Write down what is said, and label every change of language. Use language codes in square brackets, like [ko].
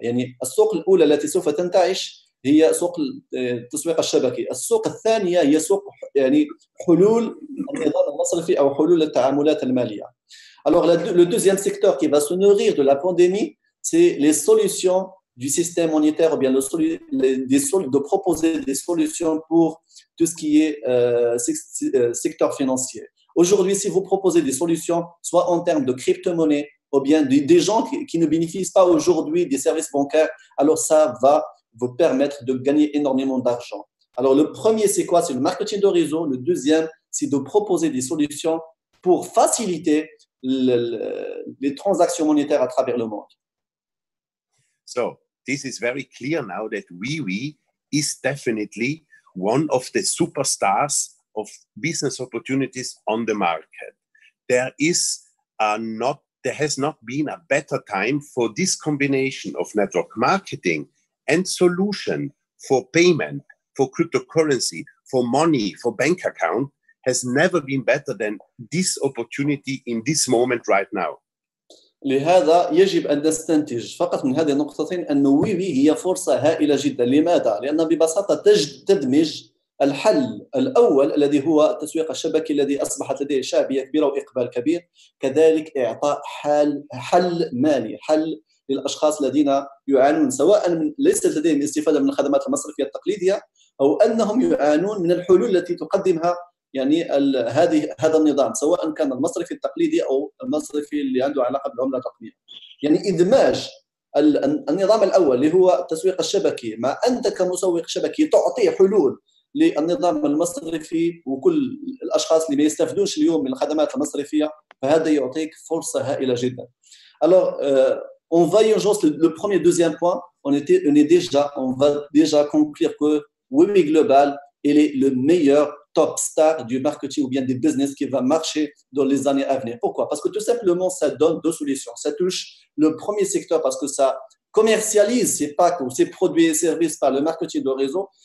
[ar] يعني السوق الأولى التي سوف تنتعش هي سوق التسويق الشبكي، السوق الثانية هي سوق يعني حلول النظام المصرفي أو حلول التعاملات المالية. [fr] Alors le deuxième secteur qui va se nourrir de la pandémie, c'est les solutions du système monétaire ou bien de proposer des solutions pour tout ce qui est secteur financier. Aujourd'hui, si vous proposez des solutions, soit en termes de crypto-monnaie ou bien des gens qui ne bénéficient pas aujourd'hui des services bancaires, alors ça va vous permettre de gagner énormément d'argent. Alors le premier, c'est quoi? C'est le marketing de réseau. Le deuxième, c'est de proposer des solutions pour faciliter les transactions monétaires à travers le monde. [en] So, this is very clear now that WeWe is definitely one of the superstars of business opportunities on the market. There is there has not been a better time for this combination of network marketing and solution for payment, for cryptocurrency, for money, for bank account has never been better than this opportunity in this moment right now. [ar] لهذا يجب أن نستنتج فقط من هذه النقطتين أن ويوي هي فرصة هائلة جدا. لماذا؟ لأن ببساطة تدمج الحل الأول الذي هو التسويق الشبكي الذي أصبحت لديه شعبية كبيرة وإقبال كبير، كذلك إعطاء حل مالي، حل للأشخاص الذين يعانون سواء ليس لديهم استفادة من الخدمات المصرفية التقليدية أو أنهم يعانون من الحلول التي تقدمها يعني هذا النظام سواء كان المصرفي التقليدي أو المصرفي اللي عنده علاقة بالعملة الرقمية. يعني إدماج النظام الأول اللي هو التسويق الشبكي مع أنت كمسوق شبكي تعطي حلول للنظام المصرفي وكل الأشخاص اللي ما يستفدونش اليوم من الخدمات المصرفية، فهذا يعطيك فرصة هائلة جدا. [fr] Alors on va y ajouter le premier deuxième point. On va déjà conclure que WeWe Global il est le meilleur top star du marketing ou bien des business qui va marcher dans les années à venir. Pourquoi? Parce que tout simplement, ça donne deux solutions. Ça touche le premier secteur parce que ça commercialise ses packs ou ses produits et services par le marketing de réseau.